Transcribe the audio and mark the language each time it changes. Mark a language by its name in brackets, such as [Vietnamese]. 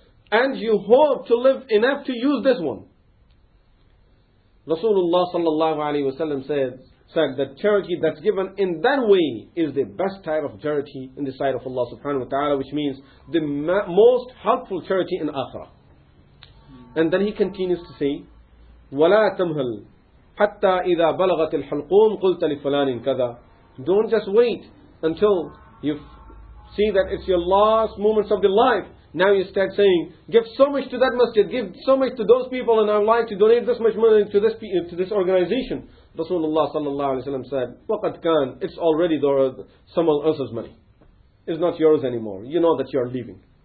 [English] And you hope to live enough to use this one. Rasulullah sallallahu alayhi wa sallam said that charity that's given in that way is the best type of charity in the sight of Allah subhanahu wa ta'ala, which means the most helpful charity in Akhirah. And then he continues to say, [Arabic] وَلَا تَمْهَلْ حَتَّى إِذَا بَلَغَتِ الْحَلْقُومِ قُلْتَ لِفُلَانٍ كَذَا. [English] Don't just wait until you see that it's your last moments of the life. Now you start saying, give so much to that masjid, give so much to those people, and I would like to donate this much money to this organization. Rasulullah sallallahu alayhi wa sallam said, [Arabic] وَقَدْ كَانْ. [English] It's already someone else's money. It's not yours anymore. You know that you're leaving.